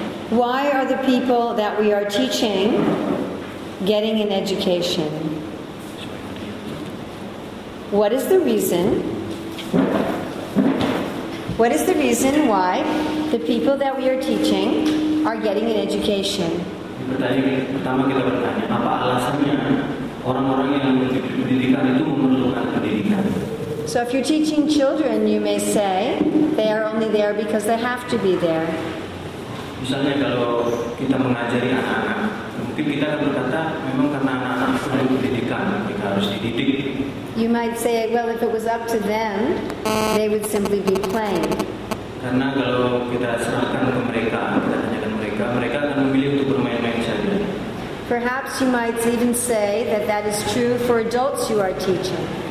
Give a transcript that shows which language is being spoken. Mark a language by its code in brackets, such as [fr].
[en] Why are the people that we are teaching getting an education? What is the reason? What is the reason why the people that we are teaching are getting an education? [id] Pertama kita bertanya, apa alasannya orang-orang yang pendidikan itu memerlukan pendidikan? [en] So if you're teaching children, you may say they are only there because they have to be there. [id] Misalnya kalau kita mengajari anak-anak, mungkin kita berkata memang karena anak-anak perlu pendidikan, kita harus dididik. [en] You might say, well, if it was up to them, they would simply be playing. [id] Karena kalau kita serahkan ke mereka, kita tanyakan mereka, mereka akan memilih untuk bermain-main saja. [en] Perhaps you might even say that that is true for adults you are teaching.